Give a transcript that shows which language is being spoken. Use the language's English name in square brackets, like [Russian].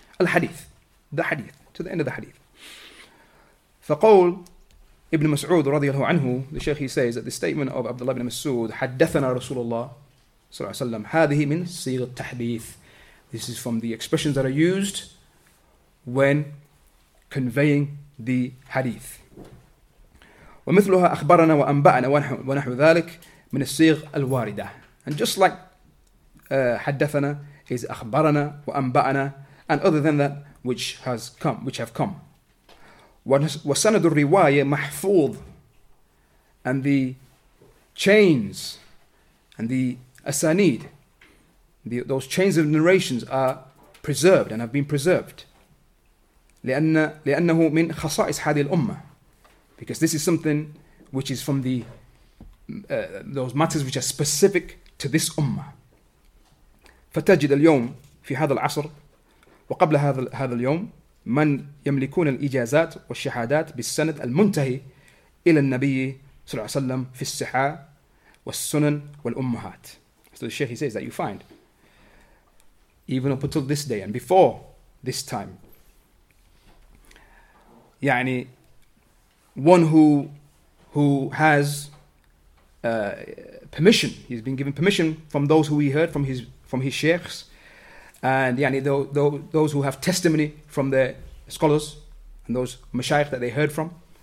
[English] الحديث, the hadith, to the end of the hadith. فقول Ibn Mas'ud رضي الله عنه, the Shaykh, he says that the statement of Abdullah ibn Mas'ud, [Arabic] حدثنا رسول الله صلى الله عليه وسلم, هذه من صيغ التحديث. [English] This is from the expressions that are used when conveying the hadith. [Arabic] ومثلها أخبرنا وأنبأنا ونحو ذلك من الصيغ الواردة. [English] And just like حدثنا is [Arabic] أخبرنا وأنبأنا, [English] and other than that which has come, which have come. [Arabic] وَسَنَدُ الرِّوَايَ مَحْفُوظ, [English] and the chains and the asanid, those chains of narrations are preserved and have been preserved. [Arabic] لأنه من خصائص هذه الأمة, [English] because this is something which is from the those matters which are specific to this ummah. [Arabic] فتجد اليوم في هذا العصر وقبل هذا اليوم من يملكون الإجازات والشهادات بالسند المنتهي إلى النبي صلى الله عليه وسلم في الصحاح والسنن والأمهات. [English] So the Shaykh, he says that you find even up until this day and before this time, يعني one who has permission, he's been given permission from those who he heard from his sheikhs, and yani those who have testimony from their scholars and those mashayikh that they heard from,